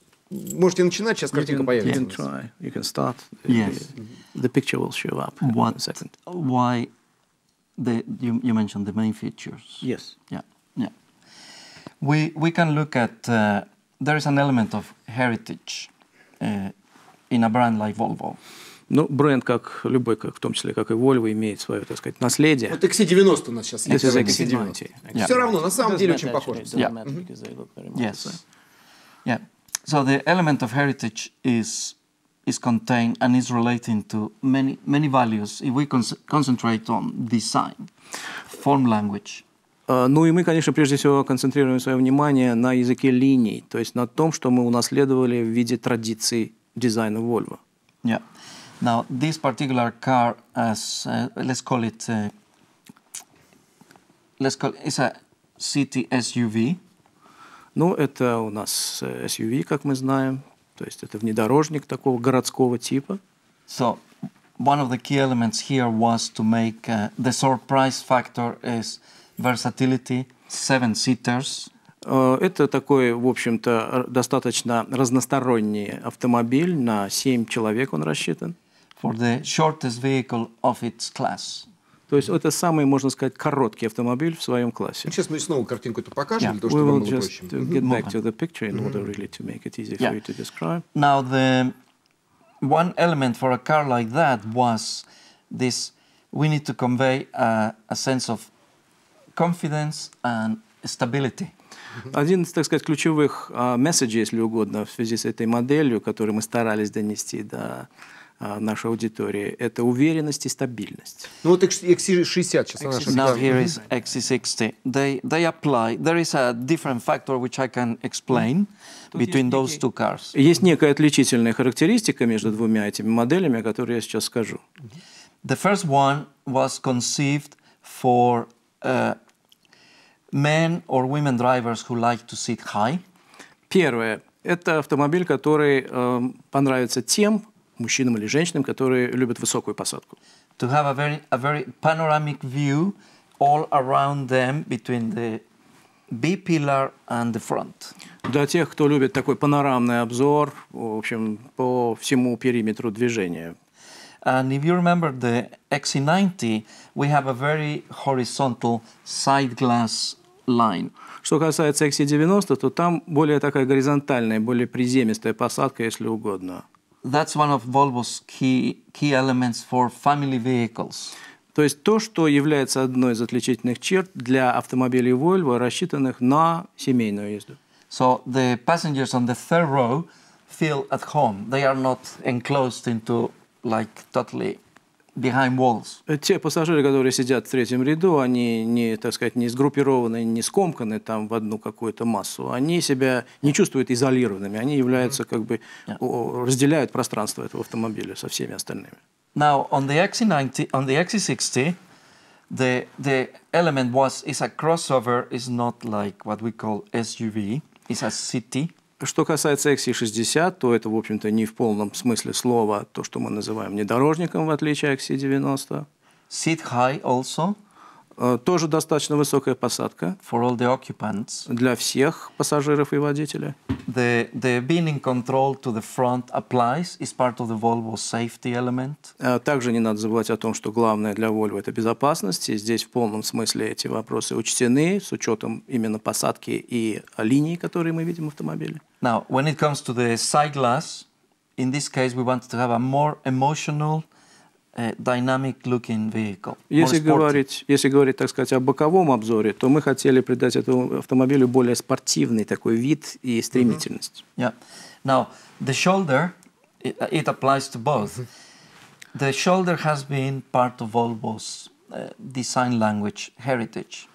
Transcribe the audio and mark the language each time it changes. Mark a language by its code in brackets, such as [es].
[ru] Можете начинать, сейчас картинка появится. [en] You can try. You can start. Yes. The picture will show up in a second. Why the you mentioned the main features? Yes. Yeah. Yeah. We can look at there is an element of heritage in a brand like Volvo. [ru] Ну, бренд, как любой, как, в том числе, как и Volvo, имеет свое, так сказать, наследие. Вот XC90 у нас сейчас есть. XC90. [en] Yeah. [ru] Все равно, на самом деле, очень похоже. [en] Yes. Yeah. So the element of heritage is contained and is relating to many many values. If we concentrate on design, form language. [ru] Ну и мы, конечно, прежде всего концентрируем свое внимание на языке линий, то есть на том, что мы унаследовали в виде традиции дизайна Volvo. [en] Yeah. Now this particular car, as it's a city SUV. [ru] Ну, это у нас SUV, как мы знаем. То есть это внедорожник такого городского типа. [en] So, one of the key elements here was to make the surprise factor is versatility, 7-seaters. [ru] Это такой, в общем-то, достаточно разносторонний автомобиль. На 7 человек он рассчитан. [en] For the shortest vehicle of its class. [ru] То есть это самый, можно сказать, короткий автомобиль в своем классе. Сейчас мы снова картинку эту покажем, [en] yeah. [ru] Потому что вам было проще. [en] We will just get back to the picture in order really to make it easy for you to describe. Now the one element for a car like that was this. We need to convey a sense of confidence and stability. [ru] Один из, так сказать, ключевых месседжей, если угодно, в связи с этой моделью, которую мы старались донести до нашей аудитории, это уверенность и стабильность. Ну вот XC60 сейчас. [en] Now here is XC60. They apply. There is a different factor which I can explain between those two cars. [ru] Есть некая отличительная характеристика между двумя этими моделями, о которой я сейчас скажу. [en] The first one was conceived for men or women drivers who like to sit high. [ru] Первое. Это автомобиль, который понравится тем мужчинам или женщинам, которые любят высокую посадку. [en] to have a very panoramic view all around them between the B pillar and the front. [ru] Для тех, кто любит такой панорамный обзор, в общем, по всему периметру движения. [en] And if you remember the XC90, we have a very horizontal side glass line. [ru] Что касается XC90, то там более такая горизонтальная, более приземистая посадка, если угодно. [en] That's one of Volvo's key elements for family vehicles. [ru] То есть то, что является одной из отличительных черт для автомобилей Volvo, рассчитанных на семейную езду. [en] So the passengers on the third row feel at home. They are not enclosed into like totally behind walls. [ru] Те пассажиры, которые сидят в третьем ряду, они не, так сказать, не сгруппированы, не скомканы там в одну какую-то массу. Они себя не чувствуют изолированными. Они являются как бы разделяют пространство этого автомобиля со всеми остальными. [en] Now on the XC90, on the XC60, the element was is a crossover, is not like what we call SUV, is a city. [ru] Что касается XC60, то это, в общем-то, не в полном смысле слова то, что мы называем внедорожником, в отличие от XC90. [en] Seat high also. [ru] Тоже достаточно высокая посадка. [en] For all the occupants. [ru] Для всех пассажиров и водителя. [en] The being in control to the front applies is part of the Volvo safety element. [ru] Также не надо забывать о том, что главное для Volvo это безопасность. И здесь в полном смысле эти вопросы учтены с учетом именно посадки и линии, которые мы видим в автомобиле. [en] Now, when it comes to the side glass, in this case we wanted to have a more emotional dynamic-looking vehicle. [ru] Если говорить, так сказать, о боковом обзоре, то мы хотели придать этому автомобилю более спортивный такой вид и стремительность. [en] Mm-hmm. Yeah. Now the shoulder, it applies to both. The shoulder has been part of Volvo's design language heritage.